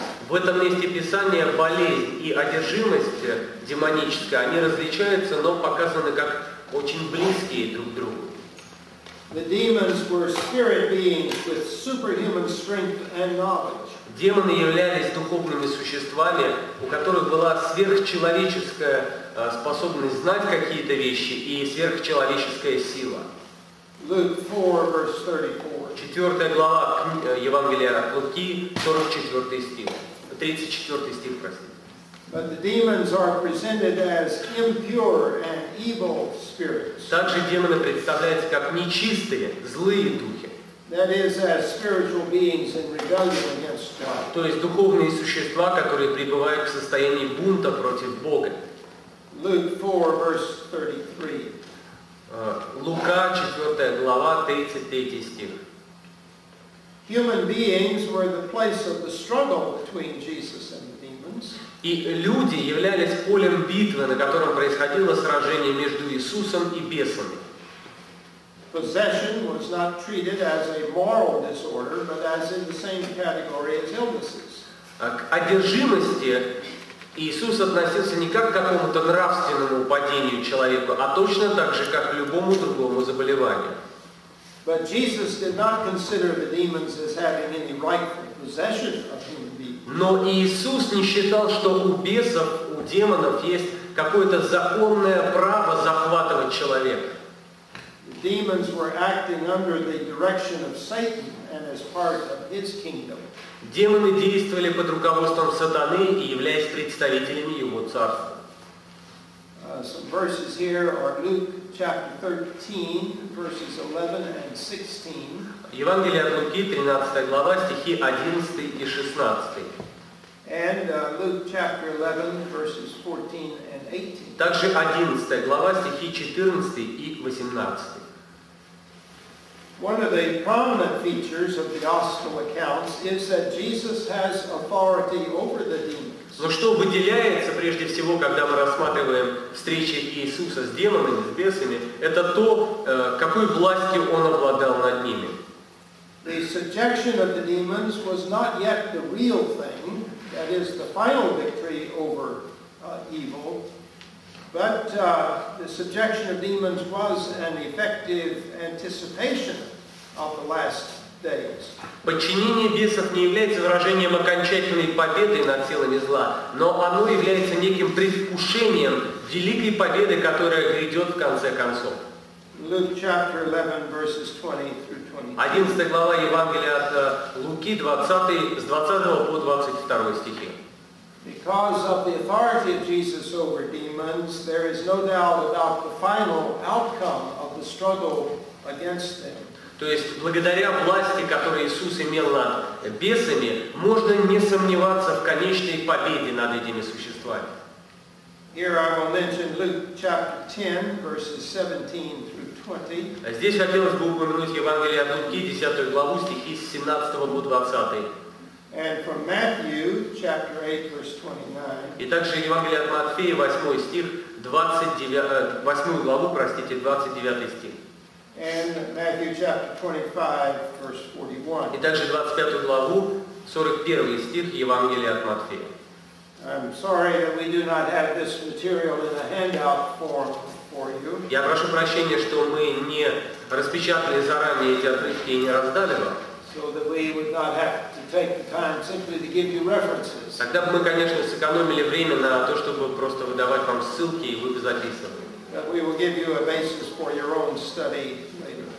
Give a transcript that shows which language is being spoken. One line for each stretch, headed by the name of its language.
Russian: В этом месте Писания болезнь и одержимость демоническая, они различаются, но показаны как очень близкие друг к другу.
English: The demons were spirit beings with superhuman strength and knowledge.
Russian: Демоны являлись духовными существами, у которых была сверхчеловеческая способность знать какие-то вещи и сверхчеловеческая сила.
English: Luke 4, verse 34.
Russian: 4 глава Евангелия от Луки, 44 стих. 34 стих, простите.
English: But the demons are presented as impure and evil spirits.
Russian: Также демоны представляются как нечистые, злые духи.
English: That is, as spiritual beings in rebellion against God.
Russian: То есть духовные существа, которые пребывают в состоянии бунта против Бога.
English: Luke 4, verse 33.
Russian: Лука, 4 глава, 33 стих.
English: Human beings were the place of the struggle between Jesus and the demons.
Russian: И люди являлись полем битвы, на котором происходило сражение между Иисусом и бесами.
English: Possession was not treated as a moral disorder, but as in the same category as illnesses.
Russian: К одержимости Иисус относился не как к какому-то нравственному падению человека, а точно так же, как к любому другому заболеванию.
English: But Jesus did not consider the demons as having any rightful possession of human beings.
Russian: Но Иисус не считал, что у бесов, у демонов есть какое-то законное право захватывать человека.
English: The demons were acting under the direction of Satan and as part of his kingdom.
Russian: Демоны действовали под руководством сатаны и являясь представителями его царства.
English: Some verses here are Luke chapter 13, verses 11 and 16.
Russian: Евангелие от Луки, 13 глава, стихи 11 и 16.
English: And Luke chapter 11, verses 14 and 18.
Russian: Также 11 глава, стихи 14 и 18.
English: One of the prominent features of the Gospel accounts is that Jesus has authority over the demons.
Russian: Но что выделяется прежде всего, когда мы рассматриваем встречи Иисуса с демонами, с бесами, это то, какой властью он обладал над ними.
English: The subjection of the demons was not yet the real thing, that is the final victory over evil. But the subjection of demons was an effective anticipation of the last days.
Russian: Подчинение бесов не является выражением окончательной победы над силами зла, но оно является неким предвкушением великой победы, которая грядет в конце концов.
English: Luke chapter 11, verses 20 through 22.
Russian: 11 глава Евангелия от Луки, 20, с 20 по 22 стихи.
English: Because of the authority of Jesus over demons, there is no doubt about the final outcome of the struggle against them.
Russian: То есть благодаря власти, которую Иисус имел над бесами, можно не сомневаться в конечной победе над этими существами.
English: Here I will mention Luke chapter 10, verses 17 through 20.
Russian: Здесь хотелось бы упомянуть Евангелие от Луки, 10 главу, стихи с 17 по 20.
English: And from Matthew chapter 8, verse 29.
Russian: И также Евангелие от Матфея, 8 стих, 8 главу, простите, 29 стих.
English: And Matthew chapter 25, verse 41.
Russian: И также 25 главу, 41 стих Евангелия от Матфея.
English: I'm sorry that we do not have this material in a handout form for you.
Russian: Я прошу прощения, что мы не распечатали заранее эти отрывки и не раздали вам.
English: So that we would not have to take the time simply to give you references.
Russian: Тогда бы мы, конечно, сэкономили время на то, чтобы просто выдавать вам ссылки и вы бы записывали.
English: That we will give you a basis for your own study later.